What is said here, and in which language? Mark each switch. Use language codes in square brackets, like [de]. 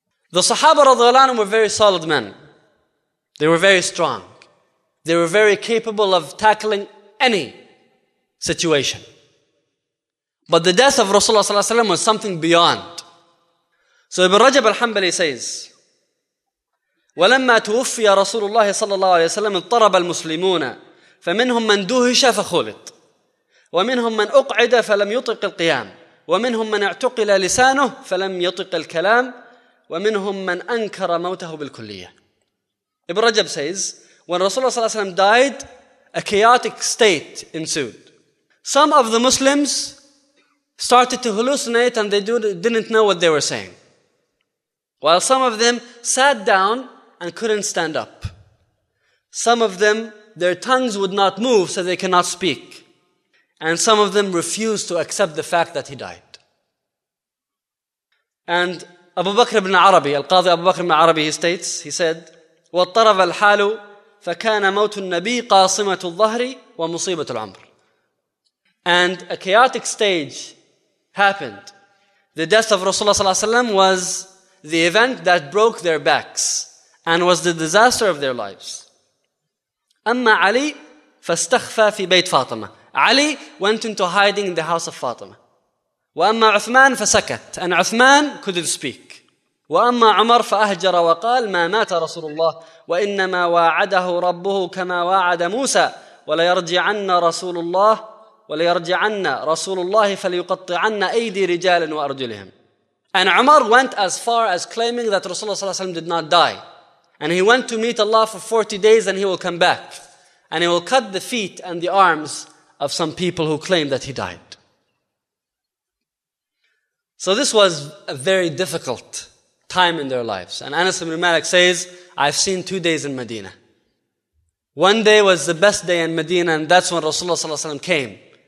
[en] The Sahaba radiallahu anhum were very solid men. They were very strong. They were very capable of tackling any situation. But the death of Rasulullah sallallahu alayhi wa sallam was something beyond. [ar] So [en] Ibn Rajab al-Hanbali says, وَلَمَّا تُوُفِّيَ رَسُولُ اللَّهِ صَلَّى اللَّهُ عَلَيْهِ وَسَلَّمَ اضْطَرَبَ الْمُسْلِمُونَ فَمِنْهُمْ مَنْ دُهِشَ فَخُلِطْ وَمِنْهُمْ مَنْ أُقْعِدَ فَلَمْ يُطِقِ الْقِيَامِ وَمِنْهُمْ مَنْ اَعْتُقِلَ لِسَانُهُ فَلَمْ يُطِقِ الْكَلَامِ وَمِنْهُمْ مَنْ أَنْكَرَ مَوْتَهُ بِالْكُلِّيَةِ Ibn Rajab says, when Rasulullah ﷺ died, a chaotic state ensued. Some of the Muslims started to hallucinate and they didn't know what they were saying. While some of them sat down and couldn't stand up. Some of them, their tongues would not move so they cannot speak. And some of them refused to accept the fact that he died. And Abu Bakr ibn Arabi, Al-Qadhi Abu Bakr ibn Arabi, he states, he said, [ar] وَاضْطَرَبَ الْحَالُ فَكَانَ مَوْتُ النَّبِيِّ قَاصِمَةُ الظَّهْرِ وَمُصِيبَةُ الْعَمْرِ [en] And a chaotic stage happened. The death of Rasulullah sallallahu alayhi wa sallam was the event that broke their backs and was the disaster of their lives. [ar] أَمَّا عَلِي فَاسْتَخْفَى فِي بَيْتِ فَاطِمَة [en] Ali went into hiding in the house of Fatima. [ar] وَأَمَّا عُثْمَان فَسَكَتْ [en] And Uthman couldn't speak. [ar] وَأَمَّا عُمَر فَأَهْجَرَ وَقَالَ مَا مَاتَ رَسُولُ اللَّهِ وَإِنَّمَا وَاعَدَهُ رَبُّهُ كَمَا وَاعَدَ مُوسَى وَلَيَرْجِعَنَّ رَسُولُ اللَّهِ وَلَيَرْجِعَنَّ رَسُولُ اللَّهِ فَلْيُقَطِّعَنَّ أَيْدِي رِجَالٍ وَأَرْجُلِهِمْ [en] And Umar went as far as claiming that Rasulullah ﷺ did not die. And he went to meet Allah for 40 days and he will come back. And he will cut the feet and the arms of some people who claim that he died. So this was a very difficult time in their lives. And Anas ibn Malik says, I've seen 2 days in Medina. One day was the best day in Medina and that's when Rasulullah ﷺ came.